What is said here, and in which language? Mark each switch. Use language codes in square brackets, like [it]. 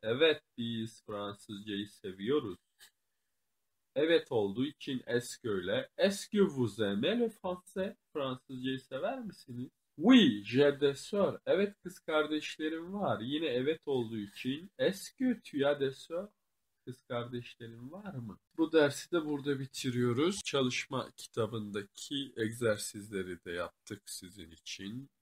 [tr] Evet, biz Fransızcayı seviyoruz. Evet olduğu için est-ce öyle. [fr] Est-ce que vous aimez le français? [tr] Fransızcayı sever misiniz? [fr] Oui, j'ai des soeurs. [tr] Evet, kız kardeşlerim var. Yine evet olduğu için [fr] est-ce que tu as des soeurs? [tr] Kız kardeşlerim var mı? Bu dersi de burada bitiriyoruz. Çalışma kitabındaki egzersizleri de yaptık sizin için.